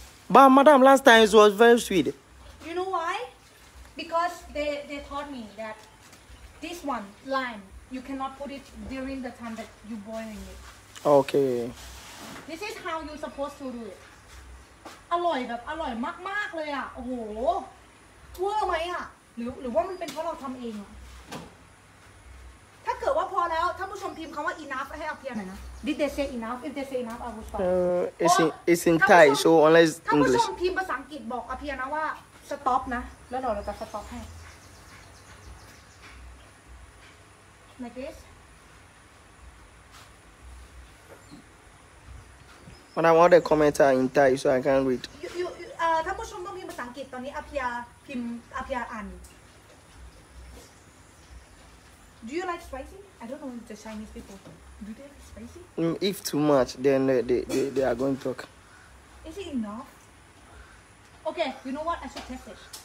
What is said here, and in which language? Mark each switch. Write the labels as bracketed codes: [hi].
[en] But madam, last time it was very sweet. You know why? Because they taught me that this one, lime, you cannot put it during the time that you're boiling it. Okay. This is how you're supposed to do it. [th] อร่อยแบบอร่อยมากมากเลยอ่ะโอ้โหเวอร์ไหมอ่ะหรือว่ามันเป็นเพราะเราทำเองอ่ะถ้าเกิดว่าพอแล้วท่านผู้ชมพิมพ์คำว่า enough ให้อภิญญาหน่อยนะ [en] Did they say enough If they say enough I will stop it's in Thai so unless English [th] ท่านผู้ชมพิมพ์ภาษาอังกฤษบอกอภิญญานะว่า stop นะแล้วเราจะ stop ให้ like this [en] but I want the commenter in Thai so I can read [th] ท่านผู้ชมต้องพิมพ์ภาษาอังกฤษตอนนี้อภิญญาพิมพ์อภิญญาอ่าน [en] Do you like spicy? I don't know the Chinese people. Do they like spicy? If too much, then they are going to talk. Is it enough? Okay, you know what? I should test it.